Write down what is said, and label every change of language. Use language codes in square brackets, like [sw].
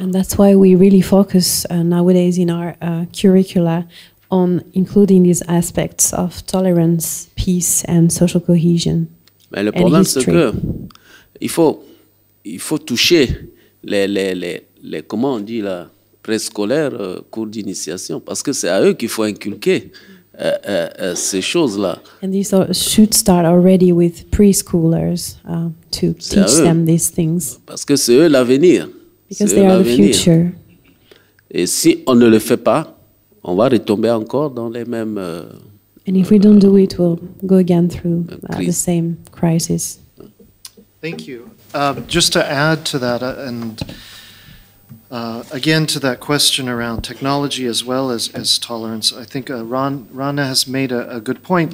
[en] And that's why we really focus nowadays in our curricula on including these aspects of tolerance, peace and social cohesion. [fr] Mais le problème, c'est que il faut toucher les comment on dit là, préscolaires, cours d'initiation, parce que c'est à eux qu'il faut inculquer. Ces choses-là. [en] And these should start already with preschoolers to teach them these things. [fr] Parce que c'est eux l'avenir. [en] Because they are the future. [fr] Et si on ne le fait pas, on va retomber encore dans les mêmes. [en] And if we don't do it, we'll go again through the same crisis. Thank you. Just to add to that, and again, to that question around technology as well as tolerance, I think Rana has made a good point.